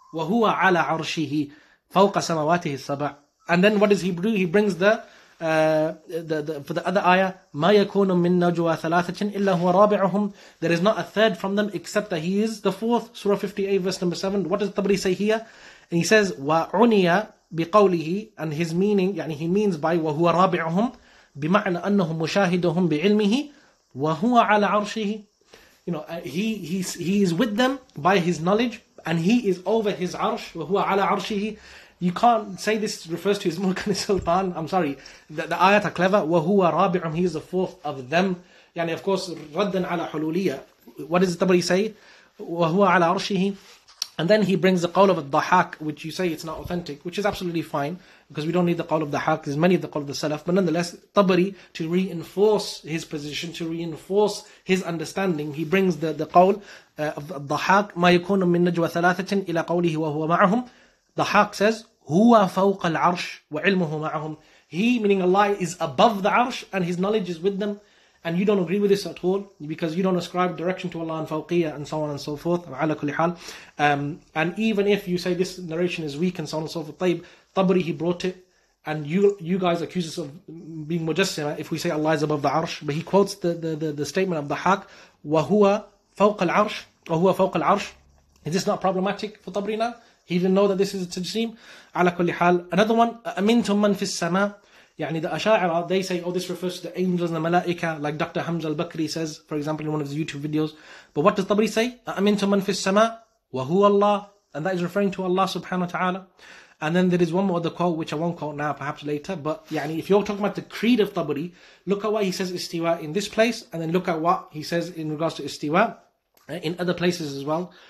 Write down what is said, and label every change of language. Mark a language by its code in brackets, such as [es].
[ar] وَهُوَ عَلَى عَرْشِهِ فَوْقَ سَمَوَاتِهِ السَّبَعِ. [en] And then what does He do? He brings the other ayah, [ar] ما يكون من نجوى ثلاثة إلا هو رابعهم, [en] there is not a third from them except that he is the fourth. Surah 58 verse number 7. What does Tabari say here? And he says, [ar] وعني بقوله, [en] and his meaning, [ar] يعني [en] he means by [ar] وهو رابعهم بمعنى أنه مشاهدهم بعلمه وهو على عرشه. [en] You know, he is with them by his knowledge, and he is over his عرش [ar] وهو على عرشه. [en] You can't say this refers to his mulk and his sultan. I'm sorry. The ayat are clever. [ar] وَهُوَ رَابِعُمْ, [en] he is the fourth of them. [ar] يعني of course, رَدًّا عَلَى حُلُولِيَّ. [en] What does Tabari say? [ar] وَهُوَ عَلَى عَرْشِهِ. [en] And then he brings the qawl of al-dahaq, which you say it's not authentic, which is absolutely fine, because we don't need the qawl of al-dahaq. There's many of the qawl of the salaf. But nonetheless, Tabari, to reinforce his position, to reinforce his understanding, he brings the qawl of al-dahaq. [ar] مَا يَكُونُ مِن نَجْوَى ثَلَاثَةٍ إِلَى قَوْلِهِ وَهُوَ مَعَهُمْ. [en] The Haq says, [ar] هُوَ فَوْقَ الْعَرْشِ وَعِلْمُهُ مَعَهُمْ. [en] He, meaning Allah, is above the arsh and his knowledge is with them. And you don't agree with this at all, because you don't ascribe direction to Allah and فَوْقِيَ and so on and so forth. [ar] عَلَى كُلِّ حَالٍ. [en] And even if you say this narration is weak and so on and so forth, طيب, Tabari, he brought it. And you guys accuse us of being mujassima if we say Allah is above the arsh. But he quotes the statement of the Haq, [ar] وَهُوَ فَوْقَ الْعَرْشِ وَهُوَ فَوْقَ الْعَرْشِ. [en] Is this not problematic for Tabari now? He didn't know that this is a tajseem. [ar] Ala kulli hal. [en] Another one, [ar] أَمِنْتُمْ مَنْ فِي السَّمَاءِ. [en] يعني the Asha'ira, they say, oh, this refers to the angels and the malaika, like Dr. Hamza al-Bakri says, for example, in one of his YouTube videos. But what does Tabari say? [ar] أَمِنْتُمْ مَنْ فِي السَّمَاءِ وَهُوَ اللَّهِ. [en] And that is referring to Allah subhanahu wa ta'ala. And then there is one more other quote, which I won't quote now, perhaps later. But يعني, if you're talking about the creed of Tabari, look at what he says istiwa in this place, and then look at what he says in regards to istiwa in other places as well.